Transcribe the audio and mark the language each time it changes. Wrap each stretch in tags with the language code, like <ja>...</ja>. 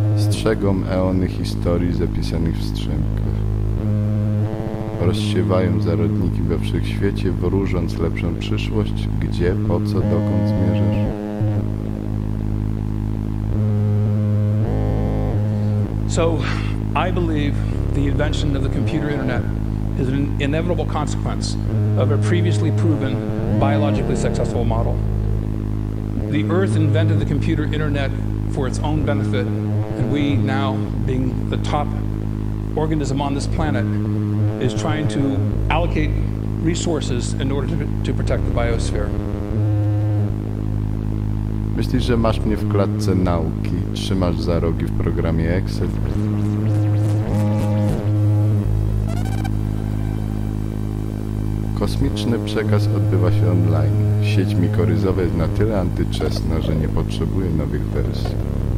<pl>Przegom eony historii zapisanych w strzępkach. Rozsiewają zarodniki we wszechświecie, wróżąc lepszą przyszłość, gdzie, po co, dokąd zmierzasz.</pl> <en>So, I believe the invention of the computer internet is an inevitable consequence of a previously proven biologically successful model. The Earth invented the computer internet for its own benefit. And we now, being the top organism on this planet, is trying to allocate resources in order to protect the biosphere.</en> <pl>Myślisz, że masz mnie w klatce nauki, trzymasz za rogi w programie Excel? Kosmiczny przekaz odbywa się online. Sieć mikoryzowa jest na tyle antyczesna, że nie potrzebuje nowych wersji.</pl>